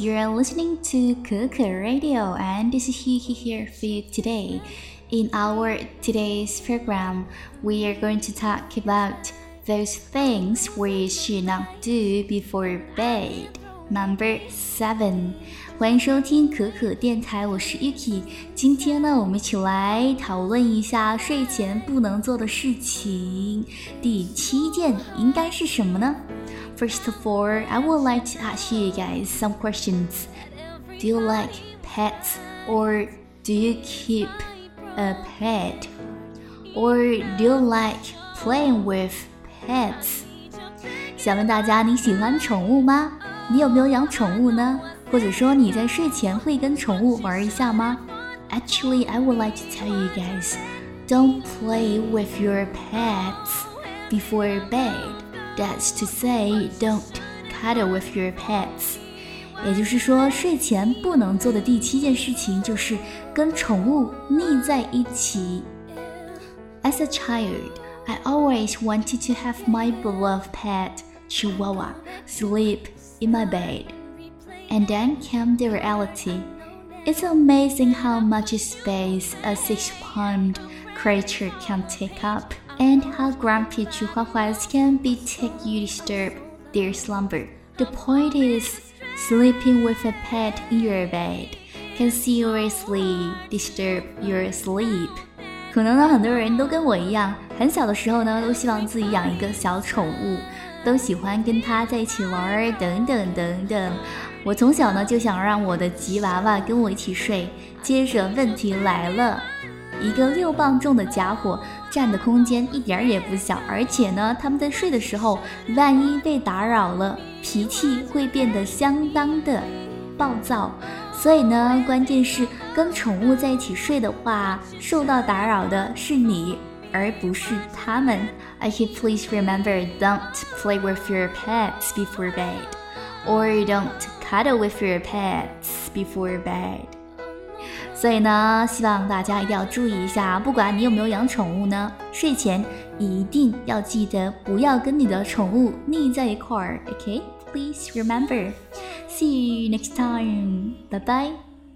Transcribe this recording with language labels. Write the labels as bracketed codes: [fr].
[en] You are listening to Kuku Radio, and this is Hihi here for you today. In our today's program, we are going to talk about those things we should not do before bed. Number 7. [zh] 欢迎收听可可电台，我是 Yuki。今天呢，我们一起来讨论一下睡前不能做的事情。第七件应该是什么呢？ [en] First of all, I would like to ask you guys some questions. Do you like pets? Or do you keep a pet? Or do you like playing with pets? [zh] 想问大家你喜欢宠物吗？你有没有养宠物呢？或者说你在睡前会跟宠物玩一下吗？ [en] Actually, I would like to tell you guys, don't play with your pets before bed. That's to say, don't cuddle with your pets. [zh] 也就是说，睡前不能做的第七件事情就是跟宠物腻在一起。 [en] As a child, I always wanted to have my beloved pet, Chihuahua, sleep in my bed. And then came the reality. It's amazing how much space a six-pound creature can take up. And how grumpy chihuahuas can be take you disturb their slumber. The point is, sleeping with a pet in your bed can seriously disturb your sleep. [zh] 可能呢，很多人都跟我一样，很小的时候呢，都希望自己养一个小宠物，都喜欢跟它在一起玩等等等等。我从小呢，就想让我的吉娃娃跟我一起睡。接着问题来了。一个六磅重的家伙占的空间一点也不小，而且呢，他们在睡的时候万一被打扰了，脾气会变得相当的暴躁。所以呢，关键是跟宠物在一起睡的话，受到打扰的是你而不是他们。 [en] I can please remember, don't play with your pets before bed, or don't cuddle with your pets before bed. [zh] 所以呢，希望大家一定要注意一下，不管你有没有养宠物呢，睡前一定要记得不要跟你的宠物腻在一块儿。 [en] OK, please remember. See you next time. Bye bye.